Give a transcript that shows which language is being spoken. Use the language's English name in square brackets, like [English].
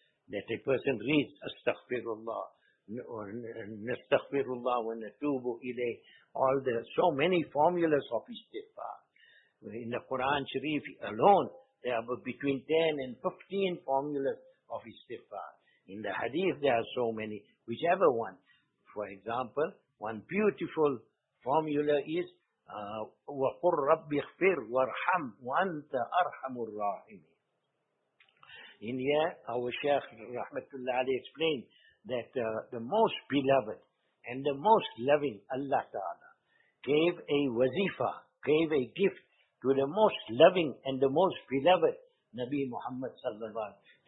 [English] That a person reads astaghfirullah, or nastaghfirullah wa natubu ilayh. All the so many formulas of istighfar. In the Quran Sharif alone, there are between 10 and 15 formulas of istighfar. In the hadith, there are so many, whichever one. For example, one beautiful formula is, [Arabic] وَقُرْ رَبِّ اغْفِرْ وَارْحَمْ وَأَنْتَ أَرْحَمُ الرَّاحِمِينَ. [English] In here, our Shaykh Rahmatullah Ali explained that the most beloved and the most loving Allah Ta'ala gave a wazifa, gave a gift to the most loving and the most beloved Nabi Muhammad sallallahu alaihi wasallam.